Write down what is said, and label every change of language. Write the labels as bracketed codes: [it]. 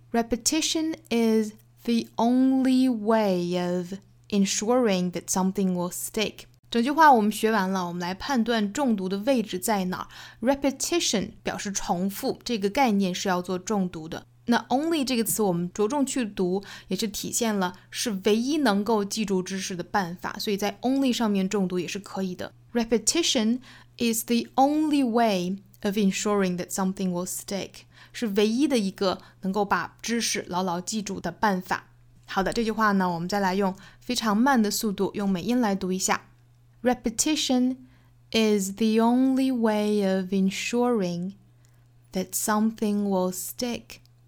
[en] Repetition is the only way of ensuring that something will stick。 [zh] 整句话我们学完了，我们来判断重读的位置在哪。 Repetition 表示重复，这个概念是要做重读的。那 only 这个词我们着重去读，也是体现了是唯一能够记住知识的办法，所以在 only 上面重读也是可以的。 [en] Repetition is the only way of ensuring that something will stick， [zh] 是唯一的一个能够把知识牢牢记住的办法。好的，这句话呢我们再来用非常慢的速度用美音来读一下。 [en] Repetition is the only way of ensuring that something will stick。